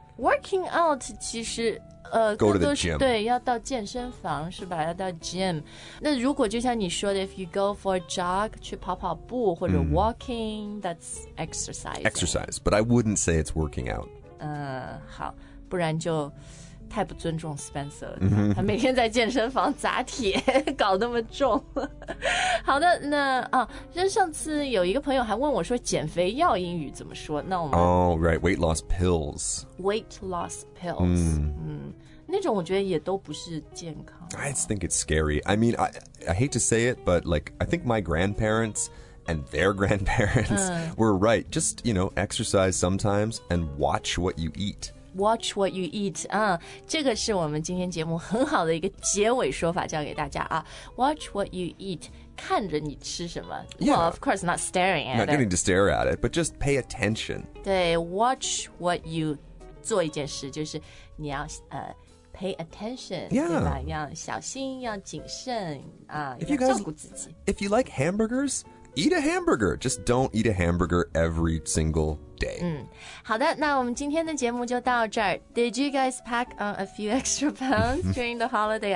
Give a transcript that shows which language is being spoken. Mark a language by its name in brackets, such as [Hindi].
[English] Working out [Chinese] 其实 [English] Go to the gym. [Chinese] 对，要到健身房是吧？要到 gym. 那如果就像你说的 ， [English] if you go for a jog, [Chinese] 去跑跑步或者 walking,、mm. [English] that's exercise. Exercise, but I wouldn't say it's working out. [Chinese] 好，不然就太不尊重 Spencer 了。Mm-hmm. 他每天在健身房砸铁，搞那么重。好的，那啊，那上次有一个朋友还问我说，减肥药英语怎么说？那我们 [English] Oh, right, weight loss pills. Weight loss pills. 嗯、mm. [Chinese] 嗯，那种我觉得也都不是健康。 [English] I just think it's scary. I mean, I hate to say it, but like I think my grandparents and their grandparents、mm. were right. Just you know, exercise sometimes and watch what you eat. Watch what you eat. [Chinese] 这个是我们今天节目很好的一个结尾说法，教给大家啊。 [English] Watch what you eat. [Chinese] 看着你吃什么。 [English] Yeah. Well, of course, not staring at it. Not getting to stare at it, but just pay attention. [Chinese] 对 ，watch what you 做一件事就是你要pay attention. [English] Yeah. [Chinese] 对吧？要小心，要谨慎啊， if、要照顾自己。 [English] If you like hamburgers, eat a hamburger. Just don't eat a hamburger every single. [Chinese] 好的，那我们今天的节目就到这儿。 [English] Did you guys pack on a few extra pounds during the holiday?